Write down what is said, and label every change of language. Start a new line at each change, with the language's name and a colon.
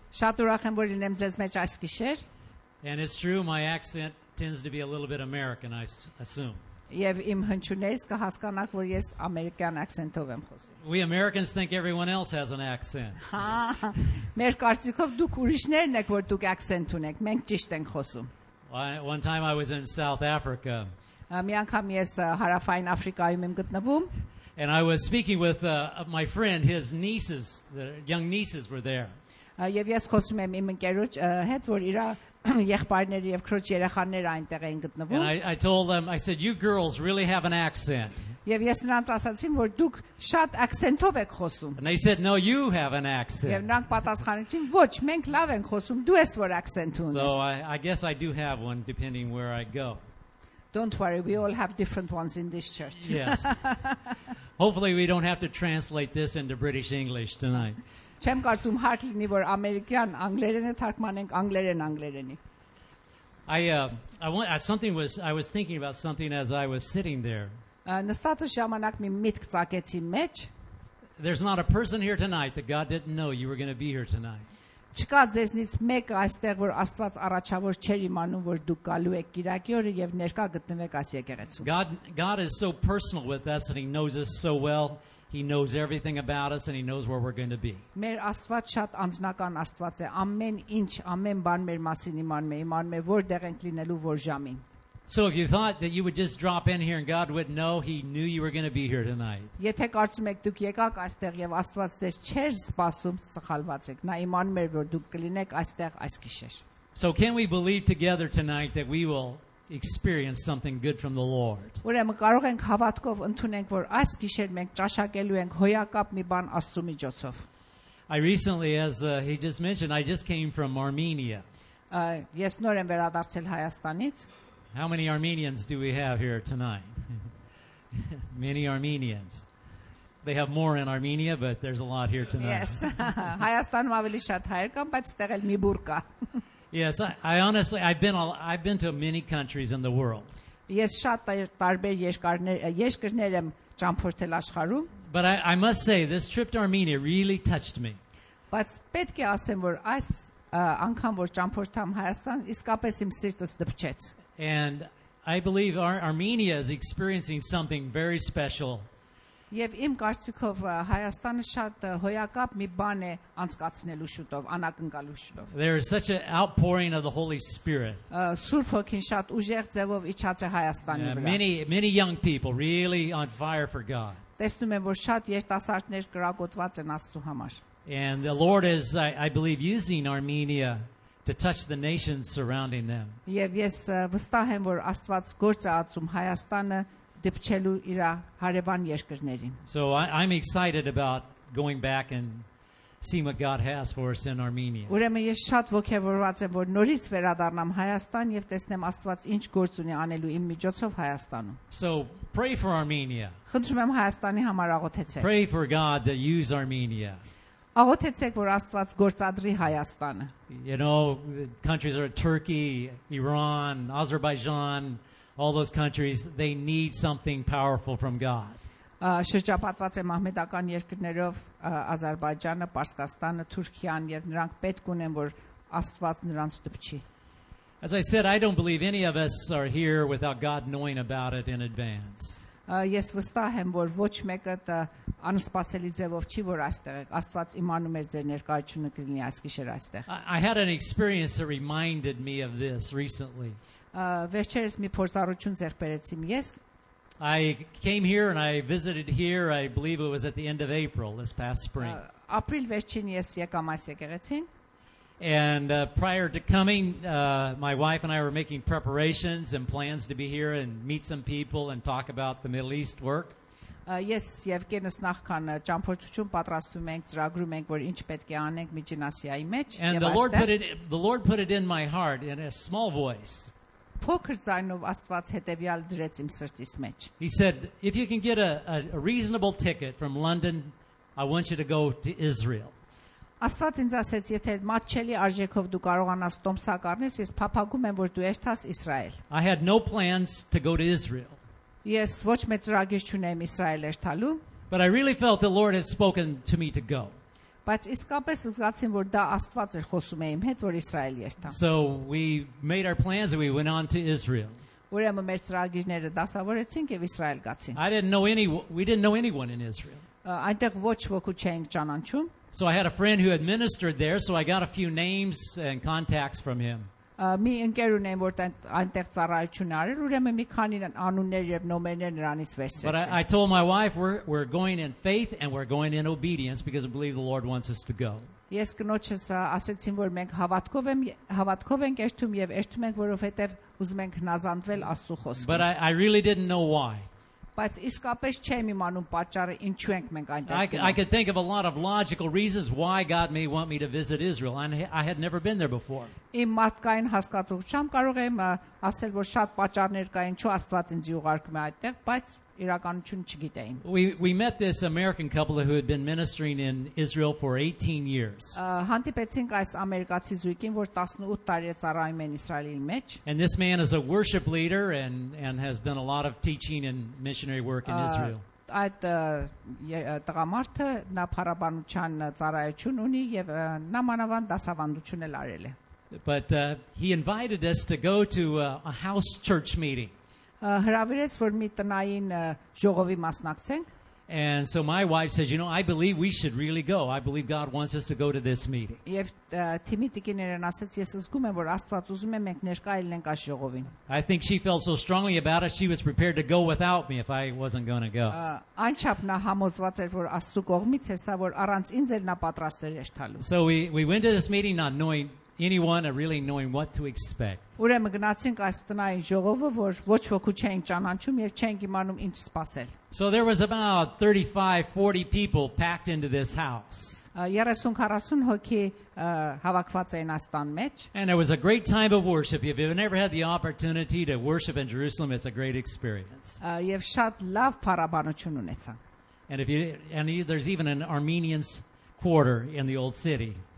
Armenian: Շատ ուրախ եմ, որ ունեմ ձեզ մեջ այս գիշեր.
English: And it's true, my accent tends to be a little bit American, I assume.
Armenian: Եվ իմ հնչյուններս կհասկանաք, որ ես ամերիկյան ակցենտով եմ խոսում.
English: We Americans think everyone else has an accent.
Armenian: Մեր կարծիքով դուք ուրիշներն եք, որ դուք ակցենտ ունեք, մենք ճիշտ ենք խոսում.
English: One time I was in South Africa.
Armenian: Մի անգամ ես հարավային Աֆրիկայում եմ գտնվում.
English: And I was speaking with my friend, his nieces, the young nieces were there.
Armenian: Եվ ես խոսում եմ իմ ընկերոջ հետ, որ իրա եղբայրները եւ քրոջ երեխաները այնտեղ էին գտնվում.
English: And I told them, I said, you girls really have an accent.
Armenian: Եվ ես նրանց ասացին, որ դուք շատ ակցենտով եք խոսում.
English: And they said, no, you have an accent.
Armenian: Եվ նրանք պատասխանեցին, ոչ, մենք լավ ենք խոսում, դու ես որ ակցենտ ունես.
English: So I guess I do have one depending where I go. Don't worry, we all have different ones in this church. Yes. Hopefully we don't have to translate this into British English tonight.
Armenian: Չեմ կարծում հարկ լինի որ ամերիկյան անգլերենը թարգմանենք անգլերեն անգլերենի.
English: I was thinking about something as I was sitting there.
Armenian: Նստած ժամանակ մի միտք ծագեցի մեջ.
English: There's not a person here tonight that God didn't know you were going to be here tonight.
Armenian: Չկա ձեզնից մեկը այստեղ որ Աստված առաջավոր չեր իմանում որ դուք գալու եք Կիրակի օրը եւ ներկա գտնվեք այս եկեղեցում.
English: God is so personal with us and he knows us so well. He knows everything about us and he knows where we're going to be.
Armenian: Մեր Աստված շատ անձնական Աստված է. Ամեն ինչ, ամեն բան մեր մասին իմանում է, իմանում է որտեղ ենք լինելու որ ժամին.
English: So if you thought that you would just drop in here and God would know, he knew you were going to be here tonight.
Armenian: Եթե կարծում եք դուք եկաք այստեղ եւ Աստված ձեզ չէր սպասում, սխալված եք։ Նա իմանում էր որ դուք կլինեք այստեղ այս գիշեր։
English: So can we believe together tonight that we will experience something good from the Lord?
Armenian: Ուրեմն կարող ենք հավատքով ընդունենք որ այս գիշեր մենք ճաշակելու ենք հոյակապ մի բան Աստծո միջոցով։
English: I recently as he just mentioned I just came from Armenia.
Armenian: Ես նոր եմ վերադարձել Հայաստանից։
English: How many Armenians do we have here tonight? Many Armenians. They have more in Armenia, but there's a lot here tonight. Yes.
Armenian: Հայաստանում ավելի շատ հայեր կան, բայց ստեղ էլ մի բուր կա.
English: Yes, I've been to many countries in the world.
Armenian: Ես շատ տարբեր երկրներ եմ ճամփորդել աշխարհում.
English: But I must say this trip to Armenia really touched me.
Armenian: Բայց պետք է ասեմ, որ այս անգամ որ ճամփորդեմ Հայաստան, իսկապես իմ սիրտս դպչեց.
English: And I believe Armenia is experiencing something very special.
Armenian: Եվ իմ կարծիքով Հայաստանը շատ հոյակապ մի բան է անցկացնելու շուտով, անակնկալու շուտով.
English: There is such an outpouring of the Holy Spirit.
Armenian: Սուրբ Հոգին շատ ուժեղ ձևով իջած է Հայաստանի վրա.
English: Many many young people really on fire for God.
Armenian: Տեսնում եմ, որ շատ երիտասարդներ կրակոտված են Աստծու համար.
English: And the Lord is I believe using Armenia to touch the nations surrounding them.
Armenian: Եվ ես վստահ եմ, որ Աստված գործ է ածում Հայաստանը դիպչելու իր հարևան երկրներին.
English: So I'm excited about going back and seeing what God has for us in Armenia.
Armenian: Ուրեմն ես շատ ոգևորված եմ, որ նորից վերադառնամ Հայաստան եւ տեսնեմ Աստված ինչ գործ ունի անելու իմ միջոցով Հայաստանում.
English: So pray for Armenia.
Armenian: Խնդրում եմ Հայաստանի համար աղոթեցեք.
English: Pray for God to use Armenia.
Armenian: Աղոթեցեք, որ Աստված գործադրի Հայաստանը.
English: You know, the countries are Turkey, Iran, Azerbaijan, all those countries, they need something powerful from God.
Armenian: Շրջապատված է մահմեդական երկրներով Ադրբեջանը, Պարսկաստանը, Թուրքիան եւ նրանք պետք ունեն, որ Աստված նրանց դպչի.
English: As I said, I don't believe any of us are here without God knowing about it in advance.
Armenian: Ես վստահ եմ, որ ոչ մեկը անսպասելի ձևով չի որ այստեղ եք։ Աստված իմանում է ձեր ներկայությունը կլինի այս գիշեր այստեղ։
English: I had an experience that reminded me of this recently.
Armenian: Վերջերս մի փորձառություն ձեռք բերեցի ես։
English: I came here and I visited here, I believe it was at the end of April this past spring.
Armenian: Ապրիլ վերջին ես եկամ այս եկեղեցին։
English: And prior to coming, my wife and I were making preparations and plans to be here and meet some people and talk about the Middle East work.
Armenian: Ես եւ կենս նախքան ճամփորդություն պատրաստում ենք, ծրագրում ենք, որ ինչ պետք է անենք Միջնասիայի մեջ եւ այստեղ.
English: And the Lord put it in my heart in a small voice.
Armenian: Փոքր ձայնով Աստված հետեւյալ դրեց իմ սրտիս մեջ.
English: He said, if you can get a reasonable ticket from London, I want you to go to Israel.
Armenian: Աստված ինձ ասաց, եթե մատչելի արժեքով դու կարողանաս տոմսակ առնես, ես փափագում եմ, որ դու երթաս Իսրայել։
English: I had no plans to go to Israel.
Armenian: Ես ոչ մեծ ծրագիր չունեմ Իսրայել երթալու։
English: But I really felt the Lord has spoken to me to go.
Armenian: Բայց իսկապես զգացին, որ դա Աստված էր խոսում իմ հետ, որ Իսրայել երթա.
English: So we made our plans and we went on to Israel.
Armenian: Ուրեմն մեր ծրագիրները դասավորեցինք եւ Իսրայել գացինք.
English: We didn't know anyone in Israel.
Armenian: Այնտեղ ոչ ոքու չէինք ճանաչում.
English: So I had a friend who had ministered there, so I got a few names and contacts from him.
Armenian: Մի ընկեր ունեմ, որ այնտեղ ծառայություն արել, ուրեմն մի քանի անուններ եւ նոմերներ նրանից վերցրեցի.
English: But I told my wife we're going in faith and we're going in obedience because I believe the Lord wants us to go.
Armenian: Ես կնոջս ասեցին, որ մենք հավատքով ենք երթում եւ երթում ենք, որովհետեւ ուզում ենք հնազանդվել Աստծո խոսքին.
English: But I really didn't know why.
Armenian: Բայց իսկապես չեմ իմանում պատճառը, ինչու ենք մենք այնտեղ գնում։
English: I could think of a lot of logical reasons why God may want me to visit Israel, and I had never been there before.
Armenian: Իմ մտքային հասկացությամբ կարող եմ ասել, որ շատ պատճառներ կա, ինչու Աստված ինձ ուղարկում է այդտեղ, բայց իրականություն չգիտեմ։
English: We met this American couple who had been ministering in Israel for 18 years.
Armenian: Հանդիպեցինք այս ամերիկացի զույգին, որ 18 տարի է ծառայում են Իսրայելի մեջ։
English: And this man is a worship leader and has done a lot of teaching and missionary work in Israel.
Armenian: Այդ տղամարդը նա փառաբանության ծառայություն ունի եւ նա մանավանդ դասավանդություն էլ արել է։
English: But he invited us to go to a house church meeting.
Armenian: Հրավիրեց, որ մի տնային ժողովի մասնակցենք.
English: And so my wife says, you know, I believe we should really go. I believe God wants us to go to this meeting.
Armenian: Եվ թիմիտիկիներն ասաց, ես զգում եմ, որ Աստված ուզում է մենք ներկայելենք այս ժողովին.
English: I think she felt so strongly about it, she was prepared to go without me if I wasn't going to go.
Armenian: Այնչափ նա համոզված էր, որ Աստծո կողմից էսա, որ առանց ինձ էլ նա պատրաստ էր երթալու.
English: So we went to this meeting not knowing anyone and really knowing what to expect.
Armenian: Ուրեմն գնացինք այս տնային ժողովը, որ ոչ ոքու չէին ճանաչում եւ չէին իմանում ինչ սպասել.
English: So there was about 35-40 people packed into this house.
Armenian: 30-40 հոգի հավաքված էին այս տան մեջ.
English: And it was a great time of worship. If you've never had the opportunity to worship in Jerusalem, it's a great experience.
Armenian: Եվ շատ լավ փառաբանություն ունեցան.
English: And there's even an Armenian quarter in the old city.